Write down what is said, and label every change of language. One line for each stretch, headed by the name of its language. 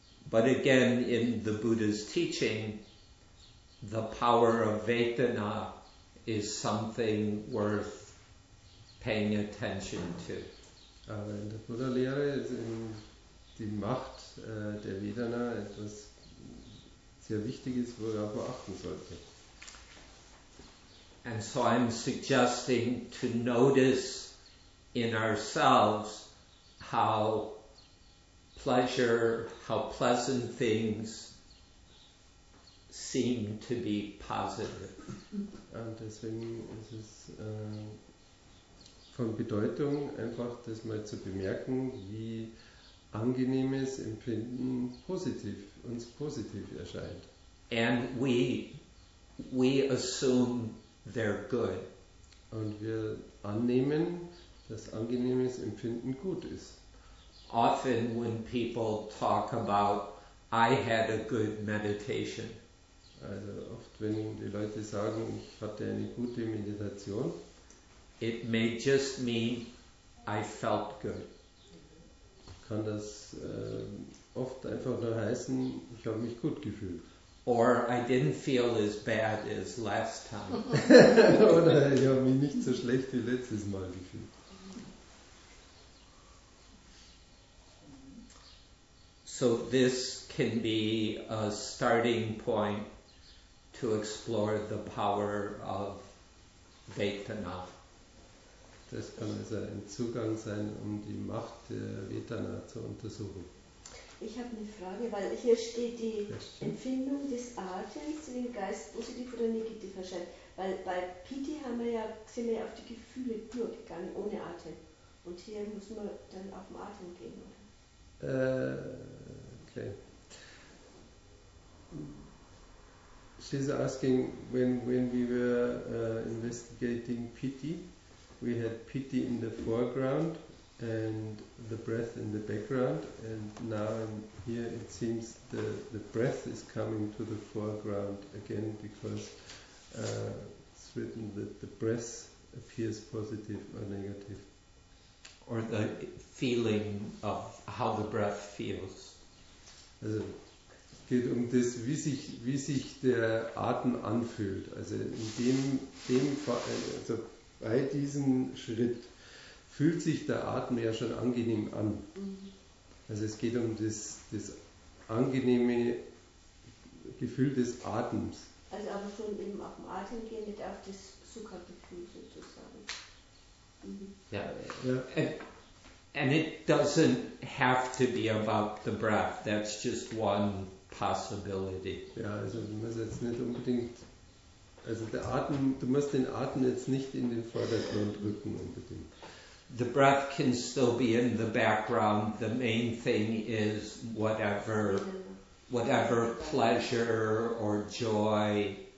English: But again, in the Buddha's teaching, the power of Vedana is something worth paying attention to.
German: Aber in der Buddha-Lehre ist eben die Macht der Vedana etwas sehr Wichtiges, worauf man achten sollte.
English: And so I'm suggesting to notice in ourselves how pleasure, how pleasant things seem to be positive.
German: Und deswegen ist es von Bedeutung, einfach das mal zu bemerken, wie angenehmes Empfinden positiv, uns positiv erscheint.
English: And we assume they're good.
German: Und wir annehmen, dass angenehmes Empfinden gut ist.
English: Often when people talk about, I had a good meditation.
German: Also oft, wenn die Leute sagen, ich hatte eine gute Meditation,
English: it may just mean I felt good.
German: Kann das oft einfach nur heißen, ich habe mich gut gefühlt.
English: Or I didn't feel as bad as last time.
German: Oder ich habe mich nicht so schlecht wie letztes Mal gefühlt.
English: So this can be a starting point to explore the power of Vedana.
German: Das kann also ein Zugang sein, um die Macht der Vedana zu untersuchen. Ich habe eine Frage, weil hier steht die Empfindung des Atems in den Geist positiv oder negativ erscheint. Weil bei Piti haben wir ja, sind wir ja auf die Gefühle nur gegangen, ohne Atem. Und hier muss man dann auf den Atem gehen, oder? Okay.
English: She's asking, when we were investigating Piti, we had Piti in the foreground and the breath in the background, and now in here it seems the breath is coming to the foreground again, because it's written that the breath appears positive or negative. Or the feeling of how the breath feels.
German: Also, geht um das, wie sich der Atem anfühlt. Also in dem also bei diesem Schritt fühlt sich der Atem ja schon angenehm an. Also es geht um das angenehme Gefühl des Atems. Also aber schon eben auf dem Atem gehen, nicht auf das Sukha-Gefühl sozusagen. Mhm. Yeah. Yeah.
English: And it doesn't have to be about the breath. That's just one possibility.
German: Ja, also du musst jetzt nicht unbedingt, also der Atem, du musst den Atem jetzt nicht in den Vordergrund rücken unbedingt.
English: The breath can still be in the background. The main thing is whatever pleasure or joy.